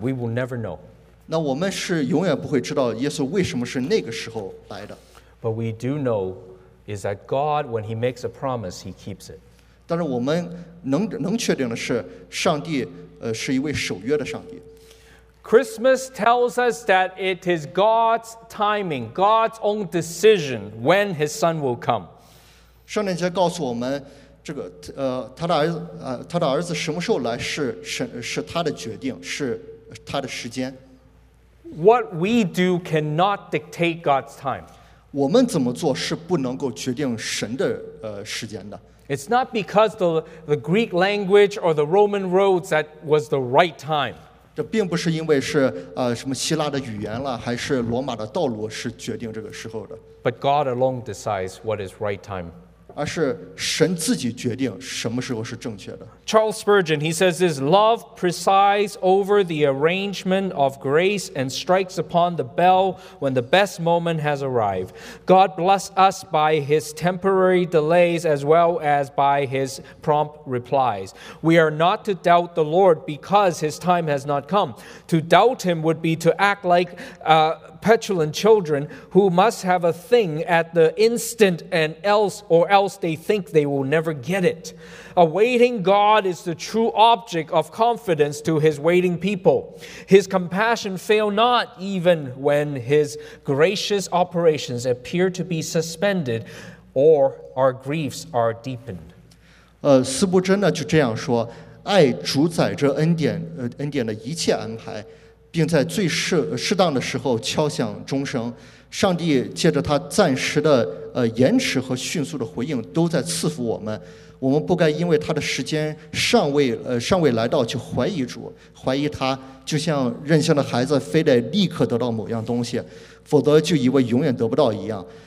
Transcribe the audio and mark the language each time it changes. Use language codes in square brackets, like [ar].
[en] We will never know. [zh] 那我们是永远不会知道耶稣为什么是那个时候来的。 [en] But we do know is that God, when he makes a promise, he keeps it. [zh] 但是我们能确定的是上帝是一位守约的上帝。 [en] Christmas tells us that it is God's timing, God's own decision when his son will come. [zh] 圣诞节告诉我们这个他的儿子什么时候来是他的决定，是他的时间。 [en] What we do cannot dictate God's time. [zh] 我们怎么做是不能够决定神的时间的。 [en] It's not because the Greek language or the Roman roads that was the right time. [zh] 这并不是因为是什么希腊的语言了，还是罗马的道路是决定这个时候的。 [en] But God alone decides what is right time. [zh] 而是神自己决定什么时候是正确的。 [en] Charles Spurgeon, he says, is love presides over the arrangement of grace and strikes upon the bell when the best moment has arrived. God bless us by his temporary delays as well as by his prompt replies. We are not to doubt the Lord because his time has not come. To doubt him would be to act like petulant children who must have a thing at the instant and else or else they think they will never get it. Awaiting God is the true object of confidence to his waiting people. His compassion fail not even when his gracious operations appear to be suspended or our griefs are deepened. [zh] 斯布真呢就这样说，爱主宰着恩典的一切安排，并在最适当的时候敲响钟声。上帝借着他暂时的延迟和迅速的回应都在赐福我们。我们不该因为他的时间尚未来到就怀疑主，怀疑他，就像任性的孩子非得立刻得到某样东西，否则就以为永远得不到一样。